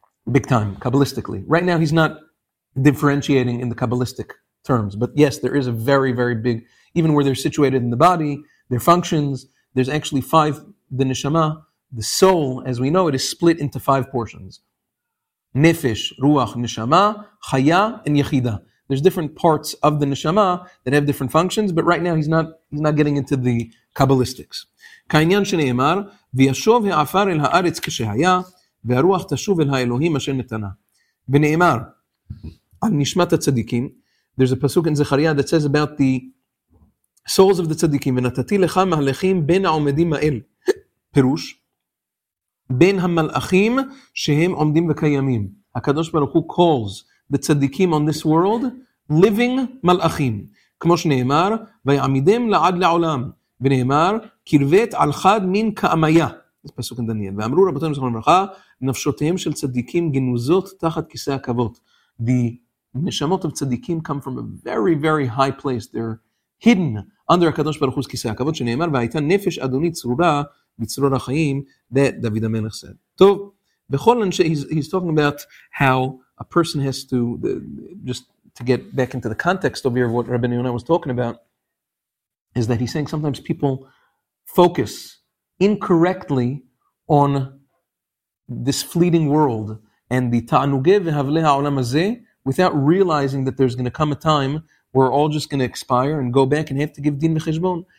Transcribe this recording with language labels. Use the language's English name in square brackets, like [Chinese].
[English] Big time, Kabbalistically. Right now he's not differentiating in the Kabbalistic terms, but yes, there is a very, very big, even where they're situated in the body, their functions, there's actually five, the neshama, the soul, as we know, it is split into five portions. Nefesh, ruach, neshama, chaya, and yechida. There's different parts of the neshama that have different functions, but right now he's not getting into the Kabbalistics. [Hebrew] כעניין שנאמר, וישוב העפר אל הארץ כשהיה, והרוח תשוב אל האלוהים אשר נתנה. ונאמר, על נשמת הצדיקים, [English] there's a pasuk in Zechariah that says about the souls of the tzaddikim, [Hebrew] ונתתי לך מהלכים בין העומדים האל, פירוש, בין המלאכים שהם עומדים וקיימים. [English] הקדוש ברוך הוא calls the tzaddikim on this world living מלאכים. [Hebrew] כמו שנאמר, ויעמידם לעד לעולם, ונאמר, קרבת על חד מין כעמיה, זה פסוק דניאל, ואמרו רבותינו זכרונם לברכה, נפשותיהם של צדיקים גנוזות תחת כיסא הכבוד. The נשמות of צדיקים [English] come from a very very high place, they're hidden under [Hebrew] הקדוש ברוך הוא כיסא הכבוד, שנאמר, והייתה נפש אדוני צרורה בצרור החיים, that דוד המלך said. טוב, בכל אנשי, [English] he's talking about how a person has to, just to get back into the context of here, what Rabbi Yonah was talking about, is that he's saying sometimes people focus incorrectly on this fleeting world and the ta'anuge vehavle ha'olam hazeh without realizing that there's going to come a time where we're all just going to expire and go back and have to give din v'cheshbon.